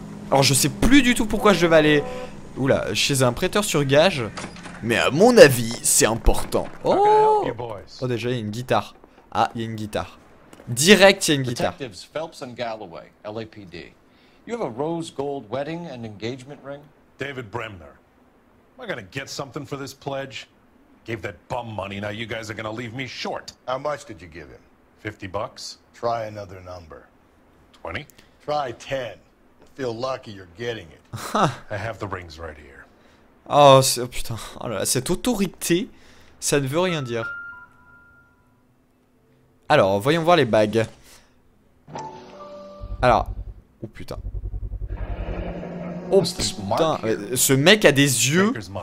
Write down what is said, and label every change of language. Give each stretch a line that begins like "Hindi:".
French: Alors je sais plus du tout pourquoi je devais aller. Oula, chez un prêteur sur gage. Mais à mon avis, c'est important. Oh, oh déjà, il y a une guitare. Ah, il y a une guitare. Direct, il y a une guitare.
English: Detectives Phelps and Galloway, LAPD. You have a rose gold wedding and engagement ring? David Bremner. Am I gonna get something for this pledge? Gave that bum money, now you guys are gonna leave me short. How much did you give him? 50 bucks. Try another number. 20? Try 10. Feel lucky you're getting it. I have the rings right here.
French: Oh, c'est, oh putain, oh là, cette autorité, ça ne veut rien dire. Alors, voyons voir les bagues. Alors, oh putain. Oh putain, ce mec a des yeux.